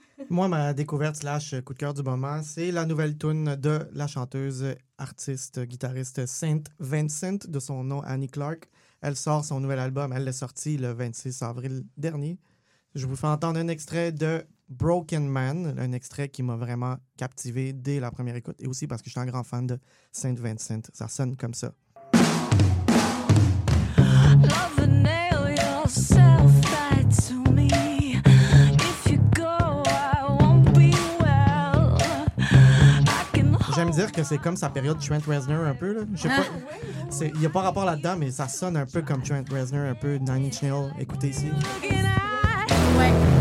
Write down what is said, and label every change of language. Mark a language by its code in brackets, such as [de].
[fr] Moi, ma découverte / coup de cœur du moment, c'est la nouvelle toune de la chanteuse, artiste, guitariste Saint Vincent, de son nom Annie Clark. Elle sort son nouvel album. Elle l'a sorti le 26 avril dernier. Je vous fais entendre un extrait de Broken Man, un extrait qui m'a vraiment captivé dès la première écoute, et aussi parce que je suis un grand fan de Saint Vincent. Ça sonne comme ça. [en] Love and nail yourself back to me. If you go, I'll [fr] train de me dire que c'est comme sa période Trent Reznor un peu. Là. Je sais pas. Il n'y a pas rapport là-dedans, mais ça sonne un peu comme Trent Reznor, un peu Nine Inch Nails. Écoutez ici. Ouais.